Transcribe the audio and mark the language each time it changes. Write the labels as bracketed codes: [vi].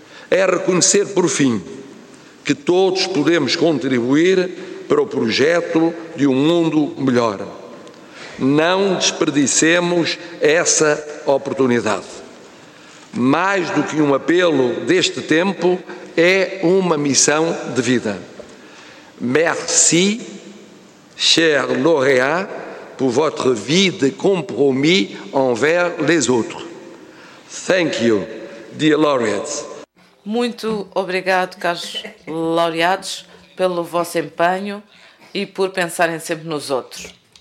[pt] É reconhecer, por fim, que todos podemos contribuir para o projeto de um mundo melhor. Não desperdicemos essa oportunidade. Mais do que um apelo deste tempo, é uma missão de vida. [fr] Merci, cher lauréat, pour votre vie de compromis envers les autres. [en] Thank you, dear laureates. [pt] Muito obrigado, caros laureados, pelo vosso empenho e por pensarem sempre nos outros.